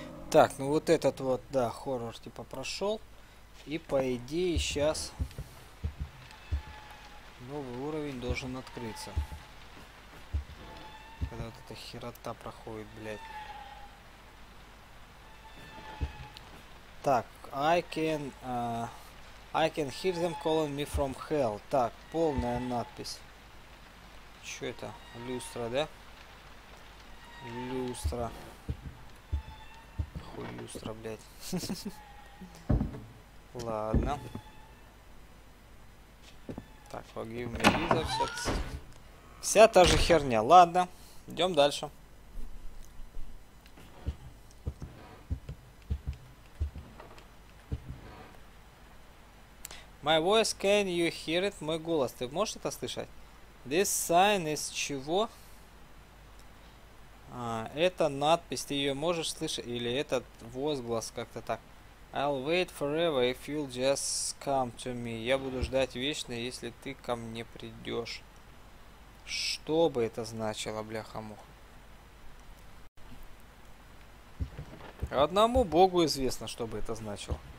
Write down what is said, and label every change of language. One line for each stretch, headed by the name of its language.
Russian: Так, ну вот этот вот, да, хоррор типа прошел, и по идее сейчас новый уровень должен открыться. Когда вот эта херота проходит, блядь. Так,
English: I can hear them calling me from hell.
Russian: Так, полная надпись. Чё это? Люстра, да? Люстра. Хуй люстра, блядь. Ладно. Так,
English: Forgive Me, Lisa,
Russian: вся та же херня. Ладно, идем дальше.
English: My voice, can you hear it?
Russian: Мой голос, ты можешь это слышать?
English: This sign is чего?
Russian: А, это надпись, ты ее можешь слышать? Или этот возглас как-то так?
English: I'll wait forever if you'll just come to me.
Russian: Я буду ждать вечно, если ты ко мне придешь. Что бы это значило, бляха-муха? Одному Богу известно, что бы это значило.